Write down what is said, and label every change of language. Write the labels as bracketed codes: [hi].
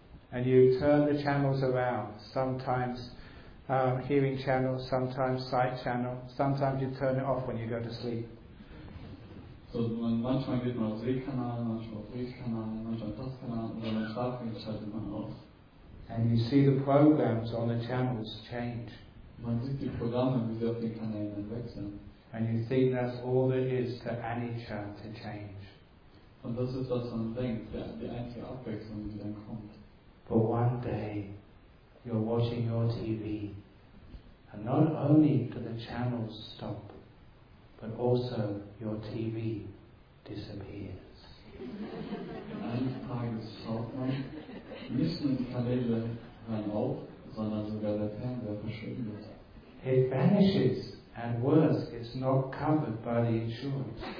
[en] and you turn the channels around, sometimes hearing channel, sometimes sight channel, sometimes you turn it off when you go to sleep. [de] So man manchmal geht man auf Sehkanal, manchmal auf Riechkanal, manchmal auf Tastkanal und wenn man schlafen geht, schaltet man aus. [en] And you see the programs on the channels change. [de] Man sieht die Programme, wie sie auf den Kanälen wechseln. [en] And you think that's all there is to anicca to change. [de] Und das ist, was man denkt, die einzige Abwechslung, die dann kommt. [en] But one day, you're watching your TV, and not only do the channels stop, but also your TV disappears. [de] Eines Tages schaut man, nicht nur die Kanäle hören auf, sondern sogar der Fernseher verschwindet. [en] It vanishes. And worse, it's not covered by the insurance.